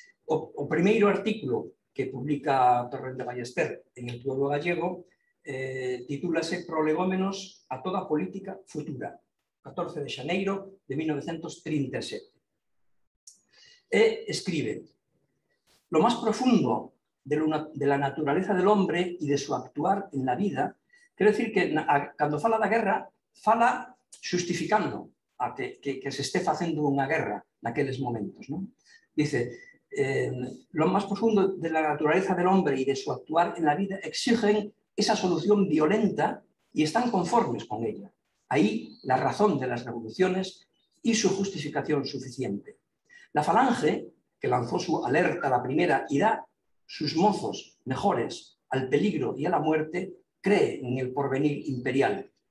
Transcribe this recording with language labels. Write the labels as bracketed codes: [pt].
[gl] O primeiro artículo que publica Torrente Ballester en El Pueblo Gallego titúlase Prolegómenos a toda política futura, 14 de xaneiro de 1937. E escribe: [es] Lo más profundo de la naturaleza del hombre y de su actuar en la vida, [gl] quiero decir que cuando fala da guerra, fala justificando a que se esté facendo unha guerra naqueles momentos, ¿no? [es] Dice, lo más profundo de la naturaleza del hombre y de su actuar en la vida exigen esa solución violenta y están conformes con ella. Ahí la razón de las revoluciones y su justificación suficiente. La falange, que lanzó su alerta la primera y da sus mozos mejores al peligro y a la muerte, cree en el porvenir imperial.